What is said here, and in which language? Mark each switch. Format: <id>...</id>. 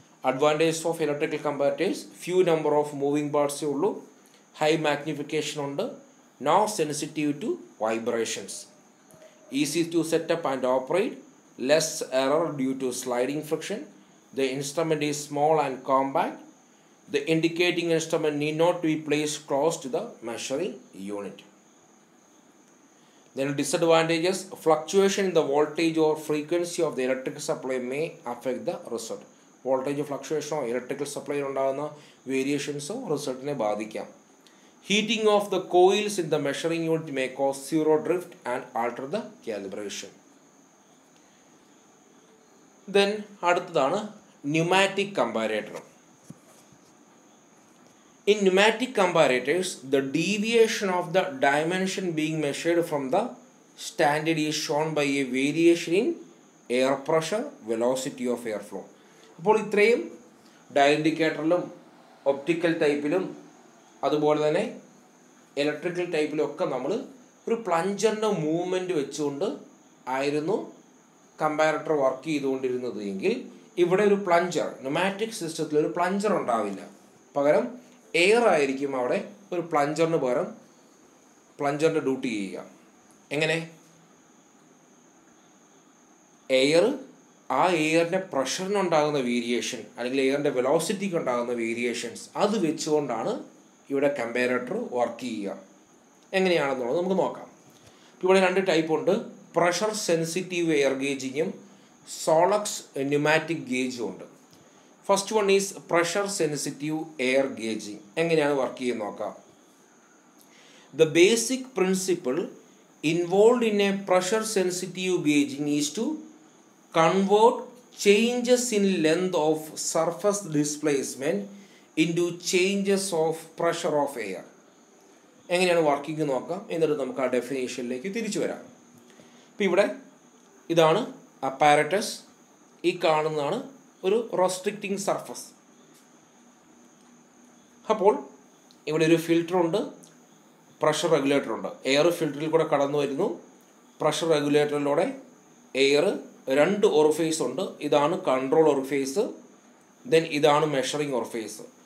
<en>Advantages of electrical comparators: few number of moving പാർട്സേ ഉള്ളൂ, high magnification ഉണ്ട്, no sensitive to vibrations, easy to set up and operate, less error due to sliding friction, the instrument is small and compact, the indicating instrument need not be place close to the measuring unit. Then disadvantages, fluctuation in the voltage or frequency of the electrical supply may affect the result. Voltage fluctuation or electrical supply variations of result</en> <ml>ne badhikkam.</ml> <en>Heating of the coils in the measuring unit may cause zero drift and alter the calibration.</en> <ml>Then adutthadana pneumatic comparator.</ml> <en>In pneumatic comparators, the deviation of the dimension being measured from the standard is shown by a variation in air pressure, velocity of airflow.</en> <ml>അപ്പോൾ ഇത്രയും dial ഇൻഡിക്കേറ്ററിലും optical ടൈപ്പിലും അതുപോലെ തന്നെ electrical ടൈപ്പിലും ഒക്കെ നമ്മൾ ഒരു പ്ലഞ്ചറിൻ്റെ movement വെച്ചുകൊണ്ട് ആയിരുന്നു comparator work ചെയ്തുകൊണ്ടിരുന്നത് എങ്കിൽ ഇവിടെ ഒരു പ്ലഞ്ചർ ന്യൂമാറ്റിക് സിസ്റ്റത്തിൽ ഒരു പ്ലഞ്ചർ ഉണ്ടാവില്ല, പകരം എയർ ആയിരിക്കും അവിടെ ഒരു പ്ലഞ്ചറിന് പകരം പ്ലഞ്ചറിൻ്റെ ഡ്യൂട്ടി ചെയ്യുക. എങ്ങനെ? എയർ ആ എയറിൻ്റെ പ്രഷറിനുണ്ടാകുന്ന വേരിയേഷൻ അല്ലെങ്കിൽ എയറിൻ്റെ വെലോസിറ്റിക്ക് ഉണ്ടാകുന്ന വേരിയേഷൻസ് അത് വെച്ചുകൊണ്ടാണ് ഇവിടെ കമ്പാരേറ്റർ വർക്ക് ചെയ്യുക. എങ്ങനെയാണെന്നുള്ളത് നമുക്ക് നോക്കാം. ഇപ്പോൾ ഇവിടെ രണ്ട് ടൈപ്പ് ഉണ്ട്, pressure sensitive air ഗേജിങ്ങും Solex pneumatic ഗേജും ഉണ്ട്.</ml> <en>First one is pressure sensitive air gauging.</en> <ml>എങ്ങനെയാണ് വർക്ക് ചെയ്യുന്നത് നോക്കാം.</ml> <en>The basic principle involve in a pressure sensitive gauging is to convert changes in length of surface displacement into changes of pressure of air.</en> <ml>എങ്ങനെയാണ് working നോക്കാം, എന്നിട്ട് നമുക്ക് ആ ഡെഫിനേഷനിലേക്ക് തിരിച്ചു വരാം. ഇപ്പം ഇവിടെ ഇതാണ് അപ്പാരറ്റസ്, ഈ കാണുന്നതാണ് ഒരു റെസ്ട്രിക്റ്റിംഗ് സർഫസ്. അപ്പോൾ ഇവിടെ ഒരു ഫിൽറ്ററുണ്ട്, പ്രഷർ റെഗുലേറ്റർ ഉണ്ട്, എയർ ഫിൽറ്ററിൽ കൂടെ കടന്നു വരുന്നു, പ്രഷർ റെഗുലേറ്ററിലൂടെ എയർ, രണ്ട് ഓർഫേസ് ഉണ്ട്, ഇതാണ് കൺട്രോൾ ഓർഫേസ്, ദെൻ ഇതാണ് മെഷറിംഗ് ഓർഫേസ്.</ml>